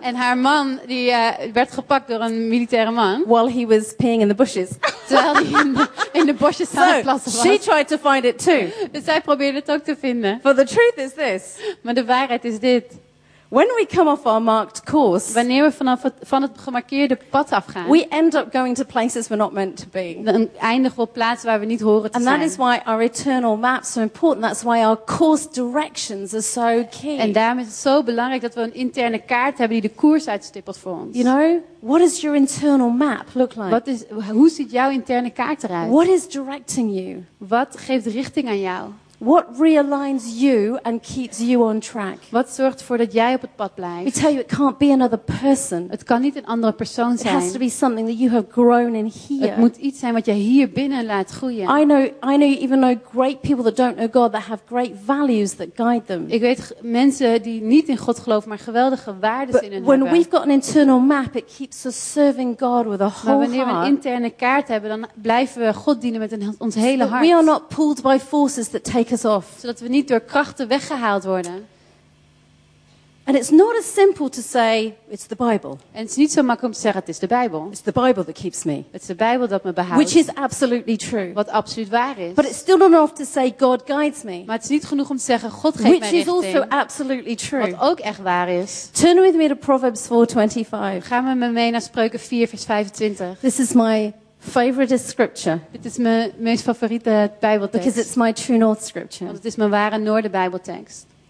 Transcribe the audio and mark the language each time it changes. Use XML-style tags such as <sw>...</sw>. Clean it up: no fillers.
<nl>En haar man die werd gepakt door een militaire man.</nl> <en>While he was peeing in the bushes.</en> <nl>Terwijl hij in de bosjes aan het plassen was.</nl> <en>She tried to find it too.</en> <nl>Dus zij probeerde het ook te vinden.</nl> <en>But the truth is this.</en> <nl>Maar de waarheid is dit.</nl> <en>When we come off our marked course,</en> <nl>wanneer we vanaf van het gemarkeerde pad afgaan,</nl> <en>we end up going to places we're not meant to be.</en> <nl>Dan eindigen we op plaatsen waar we niet horen te zijn.</nl> <en>And that is why our eternal maps are important. That's why our course directions are so key.</en> <nl>En daarom is het zo belangrijk dat we een interne kaart hebben die de koers uitstippelt voor ons.</nl> <en>You know, what does your internal map look like?</en> <nl>Wat is hoe ziet jouw interne kaart eruit?</nl> <en>What is directing you?</en> <nl>Wat geeft richting aan jou?</nl> <en>What realigns you and keeps you on track?</en> <nl>Wat zorgt ervoor dat jij op het pad blijft?</nl> <en>We tell you it can't be another person.</en> <nl>Het kan niet een andere persoon zijn.</nl> <en>It has to be something that you have grown in here.</en> <nl>Het moet iets zijn wat je hier binnen laat groeien.</nl> <en>I know you even know great people that don't know God that have great values that guide them.</en> <nl>Ik weet mensen die niet in God geloven maar geweldige waarden in hun hebben.</nl> <en>When we've got an internal map it keeps us serving God with a whole heart.</en> <nl>Wanneer we een interne kaart hebben dan blijven we God dienen met ons hele hart.</nl> <en>We are not pulled by forces that take us off.</en> <nl>Zodat we niet door krachten weggehaald worden.</nl> <en>And it's not as simple to say it's the Bible.</en> <nl>En het is niet zo makkelijk om te zeggen het is de Bijbel.</nl> <en>It's the Bible that keeps me.</en> <nl>Het is de Bijbel dat me behoudt.</nl> <en>Which is absolutely true.</en> <nl>Wat absoluut waar is.</nl> <en>But it's still not enough to say God guides me.</en> <nl>Maar het is niet genoeg om te zeggen God geeft mij richting.</nl> <en>Which is also absolutely true.</en> <nl>Wat ook echt waar is.</nl> <en>Turn with me to Proverbs 4:25.</en> <nl>Ga met me mee naar Spreuken 4 vers 25.</nl> <en>This is my favorite scripture.</en> <nl>Dit is mijn meest favoriete Bijbeltekst.</nl> <en>Because it's my true north scripture.</en> <nl>Want het is mijn ware noorden Bijbeltekst.</nl>